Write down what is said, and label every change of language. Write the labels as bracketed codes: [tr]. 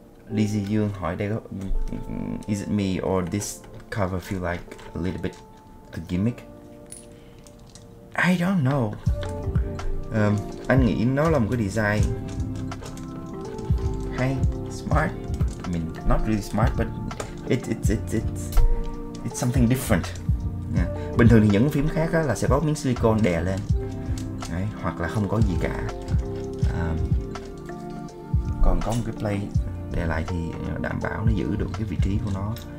[vi] Lizzy Yoon hỏi đây có [en] is it me or this cover feel like a little bit a gimmick? I don't know. [vi] Anh nghĩ nó là một cái design hay, smart. [en] I mean, not really smart, but it's something different. [vi] Bình thường thì những phím khác á, là sẽ có miếng silicone đè lên. Đấy, hoặc là không có gì cả. Còn có một cái plate đè lại thì đảm bảo nó giữ được cái vị trí của nó.